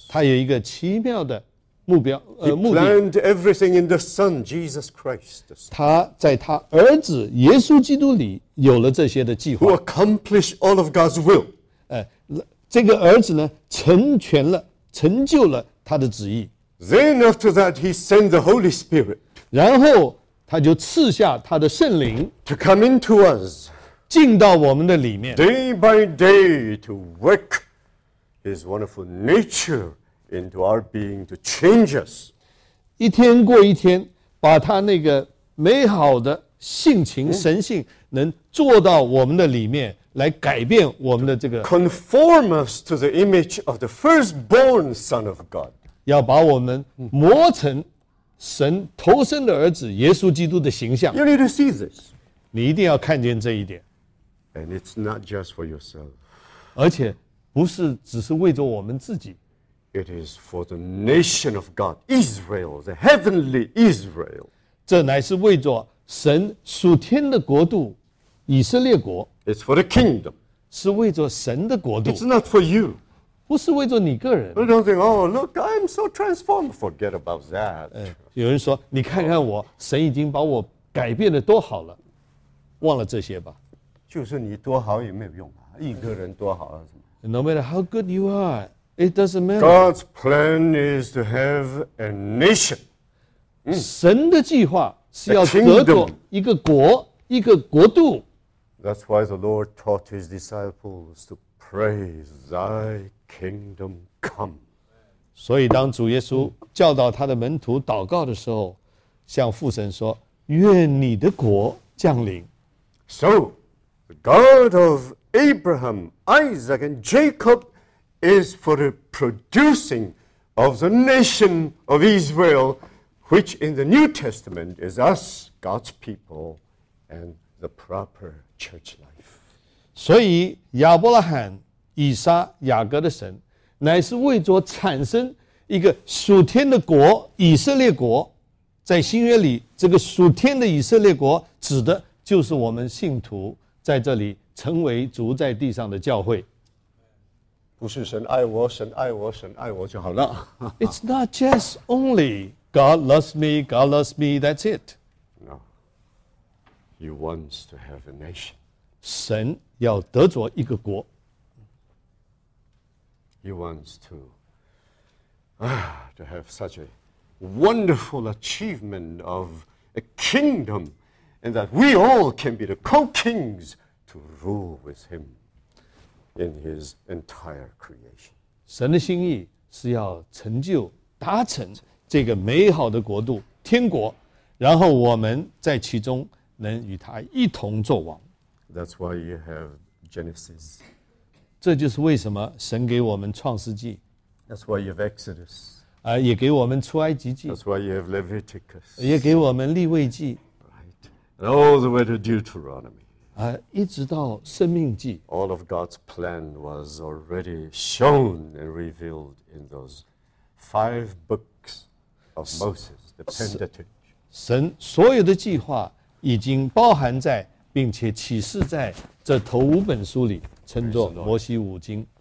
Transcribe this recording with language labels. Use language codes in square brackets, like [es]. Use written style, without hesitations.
[zh] 他有一个奇妙的目标目的。 [en] He planned everything in the Son, Jesus Christ. [zh] 他在他儿子耶稣基督里有了这些的计划。 [en] Who accomplished all of God's will. [zh] 这个儿子呢，成全了，成就了他的旨意。 [en] Then after that, he sent the Holy Spirit. [zh] 然后他就赐下他的圣灵。 [en] To come into us. [zh] 进到我们的里面。 [en] Day by day to work his wonderful nature. Into our being to change us. [zh] 一天过一天，把他那个美好的性情、神性能做到我们的里面来改变我们的这个。 [en] Conform us to the image of the firstborn Son of God. [zh] 要把我们磨成神头生的儿子耶稣基督的形象。 [en] You need to see this. [zh] 你一定要看见这一点。 [en] And it's not just for yourself. [zh] 而且不是只是为着我们自己。 [en] It is for the nation of God, Israel, the heavenly Israel. [zh] 这乃是为着神属天的国度，以色列国。 [en] It's for the kingdom. [zh] 是为着神的国度。 [en] It's not for you. [zh] 不是为着你个人。 [en] But don't think, oh, look, I'm so transformed. Forget about that. [zh] 有人说，你看看我，神已经把我改变得多好了，忘了这些吧。就是你多好也没有用啊，一个人多好啊什么。 [en] No matter how good you are. It doesn't matter. God's plan is to have a nation. [zh] 神的计划是要得国，一个国，一个国度。 [en] That's why the Lord taught his disciples to pray, Thy kingdom come. [zh] 所以当主耶稣教导他的门徒祷告的时候，向父神说，愿你的国降临。 [en] So, the God of Abraham, Isaac, and Jacob is for the producing of the nation of Israel, which in the New Testament is us, God's people, and the proper church life. [zh] 所以亚伯拉罕、以撒、雅各的神，乃是为着产生一个属天的国，以色列国。在新约里，这个属天的以色列国，指的就是我们信徒在这里成为主在地上的教会。不是神爱我，神爱我，神爱我就好了。 [en] It's not just only God loves me, God loves me, that's it. No. He wants to have a nation. [zh] 神要得着一个国。 [en] He wants to have such a wonderful achievement of a kingdom and that we all can be the co-kings to rule with him. In his entire creation. [zh] 神的心意是要成就达成这个美好的国度天国，然后我们在其中能与他一同作王。 [en] That's why you have Genesis. [zh] 这就是为什么神给我们创世纪。 [en] That's why you have Exodus. [zh] 也给我们出埃及记。 [en] That's why you have Leviticus. [zh] 也给我们利未记。 [en] Right. And all the way to Deuteronomy. [zh] 一直到生命记。 [en] All of God's plan was already shown and revealed in those five books of Moses, the Pentateuch. [zh] 神所有的计划已经包含在并且启示在这头五本书里，称作摩西五经。